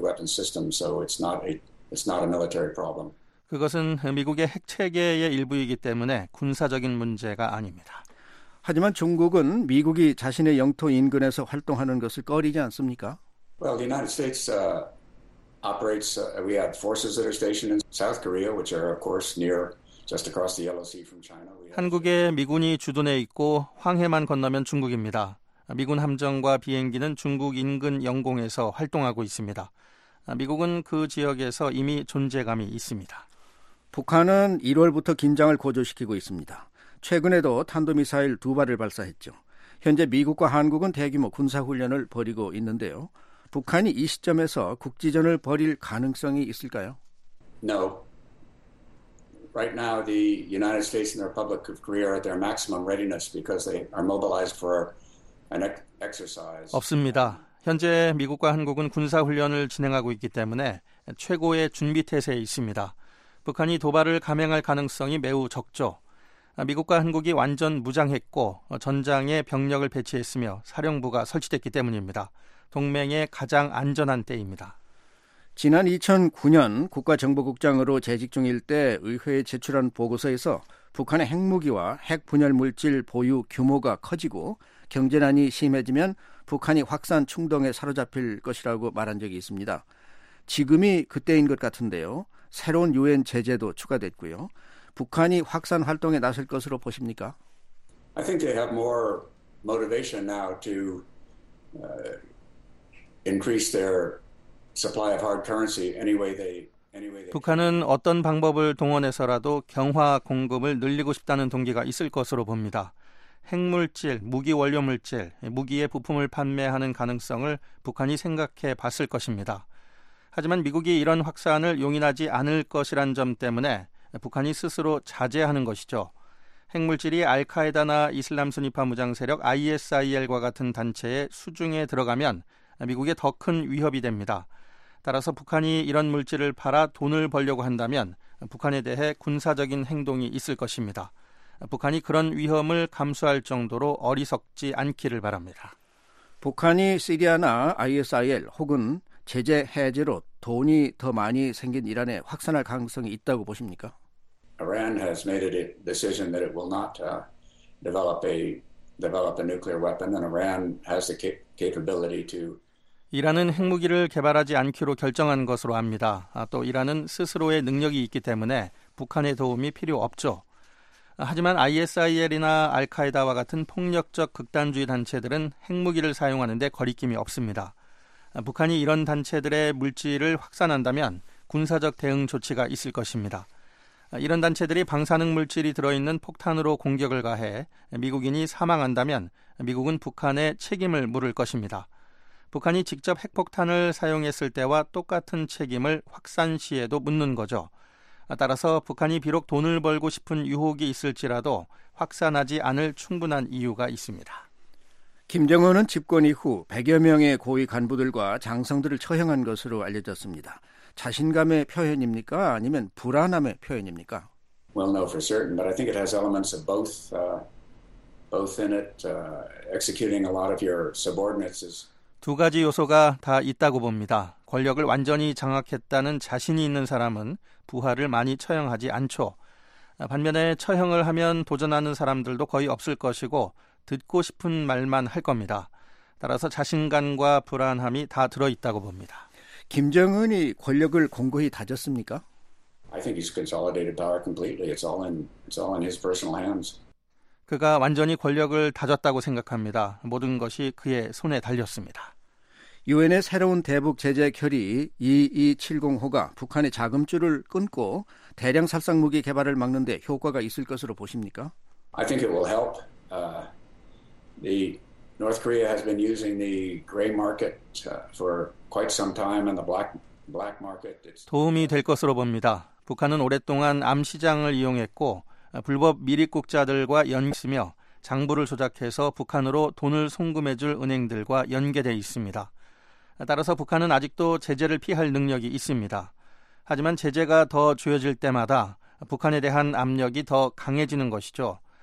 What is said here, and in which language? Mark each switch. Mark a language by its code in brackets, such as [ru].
[en] It's not a military problem. [ko] 그것은 미국의 핵체계의 일부이기 때문에 군사적인 문제가 아닙니다. 하지만 중국은 미국이 자신의 영토 인근에서 활동하는 것을 꺼리지 않습니까? [en] Well, the United States operates, we have forces that are stationed in South Korea, which are of course near just across the Yellow Sea from China. [ko] 한국에 미군이 주둔해 있고 황해만 건너면 중국입니다. 미군 함정과 비행기는 중국 인근 영공에서 활동하고 있습니다. 미국은 그 지역에서 이미 존재감이 있습니다. 북한은 1월부터 긴장을 고조시키고 있습니다. 최근에도 탄도미사일 두 발을 발사했죠. 현재 미국과 한국은 대규모 군사훈련을 벌이고 있는데요. 북한이 이 시점에서 국지전을 벌일 가능성이 있을까요? [en] No. Right now the United States and the Republic of Korea are at their maximum readiness because they are mobilized for an exercise. [ko] 없습니다. 현재 미국과 한국은 군사훈련을 진행하고 있기 때문에 최고의 준비태세에 있습니다. 북한이 도발을 감행할 가능성이 매우 적죠. 미국과 한국이 완전 무장했고 전장에 병력을 배치했으며 사령부가 설치됐기 때문입니다. 동맹의 가장 안전한 때입니다. 지난 2009년 국가정보국장으로 재직 중일 때 의회에 제출한 보고서에서 북한의 핵무기와 핵분열물질 보유 규모가 커지고 경제난이 심해지면 북한이 확산 충동에 사로잡힐 것이라고 말한 적이 있습니다. 지금이 그때인 것 같은데요. 새로운 유엔 제재도 추가됐고요. 북한이 확산 활동에 나설 것으로 보십니까? [en] I think they have more motivation now to increase their supply of hard currency anyway they [ko] 북한은 어떤 방법을 동원해서라도 경화 공급을 늘리고 싶다는 동기가 있을 것으로 봅니다. 핵물질, 무기 원료물질, 무기의 부품을 판매하는 가능성을 북한이 생각해 봤을 것입니다. 하지만 미국이 이런 확산을 용인하지 않을 것이란 점 때문에 북한이 스스로 자제하는 것이죠. 핵물질이 알카에다나 이슬람 순위파 무장세력 ISIL과 같은 단체의 수중에 들어가면 미국에 더 큰 위협이 됩니다. 따라서 북한이 이런 물질을 팔아 돈을 벌려고 한다면 북한에 대해 군사적인 행동이 있을 것입니다. 북한이 그런 위험을 감수할 정도로 어리석지 않기를 바랍니다. 북한이 시리아나 ISIL 혹은 제재 해제로 돈이 더 많이 생긴 이란에 확산할 가능성이 있다고 보십니까? [en] Iran has made a decision that it will not develop a nuclear weapon and Iran has the capability to [ko] 이란은 핵무기를 개발하지 않기로 결정한 것으로 압니다. 또 이란은 스스로의 능력이 있기 때문에 북한의 도움이 필요 없죠. 하지만 ISIL이나 알카에다와 같은 폭력적 극단주의 단체들은 핵무기를 사용하는 데 거리낌이 없습니다. 북한이 이런 단체들의 물질을 확산한다면 군사적 대응 조치가 있을 것입니다. 이런 단체들이 방사능 물질이 들어있는 폭탄으로 공격을 가해 미국인이 사망한다면 미국은 북한에 책임을 물을 것입니다. 북한이 직접 핵폭탄을 사용했을 때와 똑같은 책임을 확산 시에도 묻는 거죠. 따라서 북한이 비록 돈을 벌고 싶은 유혹이 있을지라도 확산하지 않을 충분한 이유가 있습니다. 김정은은 집권 이후 100여 명의 고위 간부들과 장성들을 처형한 것으로 알려졌습니다. 자신감의 표현입니까? 아니면 불안함의 표현입니까? [en] Well, no, for certain, but I think it has elements of both. Both in it, executing a lot of your subordinates is [ko] 두 가지 요소가 다 있다고 봅니다. 권력을 완전히 장악했다는 자신이 있는 사람은 부하를 많이 처형하지 않죠. 반면에 처형을 하면 도전하는 사람들도 거의 없을 것이고 듣고 싶은 말만 할 겁니다. 따라서 자신감과 불안함이 다 들어있다고 봅니다. 김정은이 권력을 공고히 다졌습니까? [en] I think he's consolidated power completely. It's all in his personal hands. [ko] 그가 완전히 권력을 다졌다고 생각합니다. 모든 것이 그의 손에 달렸습니다. 유엔의 새로운 대북 제재 결의 2270호가 북한의 자금줄을 끊고 대량 살상 무기 개발을 막는 데 효과가 있을 것으로 보십니까? [en] I think it will help. The North Korea has been using the gray market for quite some time and the black market. [ko] 도움이 될 것으로 봅니다. 북한은 오랫동안 암시장을 이용했고 불법 밀입국자들과 연계했으며 장부를 조작해서 북한으로 돈을 송금해줄 은행들과 연계돼 있습니다. 따라서 북한은 아직도 제재를 피할 능력이 있습니다. 하지만 제재가 더 조여질 때마다 북한에 대한 압력이 더 강해지는 것이죠.